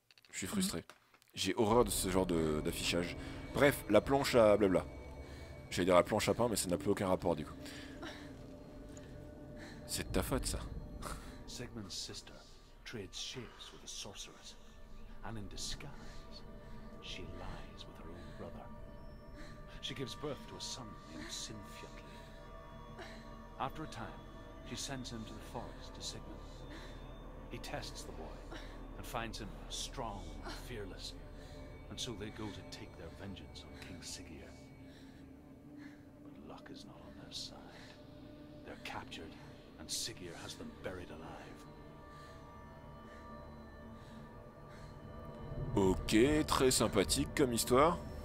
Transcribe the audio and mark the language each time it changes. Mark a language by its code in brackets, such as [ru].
[fr] Je suis frustré. J'ai horreur de ce genre d'affichage. Bref, la planche à blabla. J'allais dire la planche à pain, mais ça n'a plus aucun rapport du coup. C'est de ta faute ça. [en] Sigmund's sister trades ships with a sorceress, and in disguise, she lies with her own brother. She gives birth to a son named Sinfjotli. After a time, she sends him to the forest to Sigmund. He tests the boy and finds him strong and fearless, and so they go to take their vengeance on King Siggeir. But luck is not on their side. They're captured, and Siggeir has them buried alive. [fr] Ok, très sympathique comme histoire.